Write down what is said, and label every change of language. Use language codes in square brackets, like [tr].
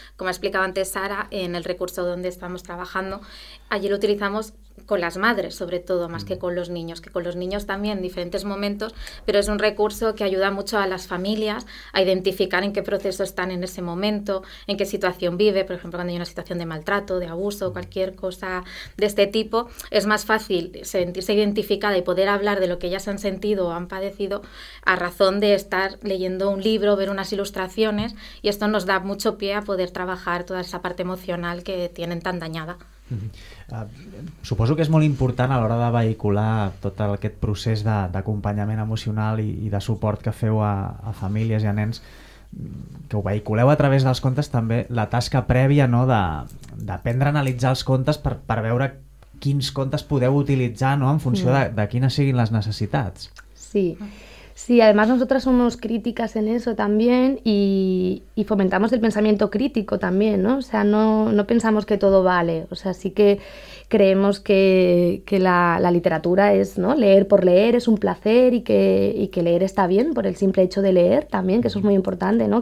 [es] Como ha explicado antes Sara, en el recurso donde estamos trabajando, allí lo utilizamos con las madres, sobre todo, más que con los niños, que con los niños también en diferentes momentos, pero es un recurso que ayuda mucho a las familias a identificar en qué proceso están en ese momento, en qué situación vive, por ejemplo, cuando hay una situación de maltrato, de abuso, cualquier cosa de este tipo, es más fácil sentirse identificada y poder hablar de lo que ellas han sentido o han padecido a razón de estar leyendo un libro, ver unas ilustraciones, y esto nos da mucho pie a poder trabajar toda esa parte emocional que tienen tan dañada. [ca] Suposo que és molt important a l'hora de vehicular tot aquest procés d'acompanyament emocional i de suport que feu a famílies i a nens, que ho vehiculeu a través dels contes, també la tasca prèvia, no, d'aprendre a analitzar els contes per veure quins contes podeu utilitzar, no, en funció de quines siguin les necessitats. [es] Sí. Sí, además nosotras somos críticas en eso también y fomentamos el pensamiento crítico también, ¿no? O sea, no pensamos que todo vale, o sea, sí que creemos que la literatura es, ¿no? Leer por leer es un placer y que leer está bien por el simple hecho de leer también, que eso es muy importante, ¿no?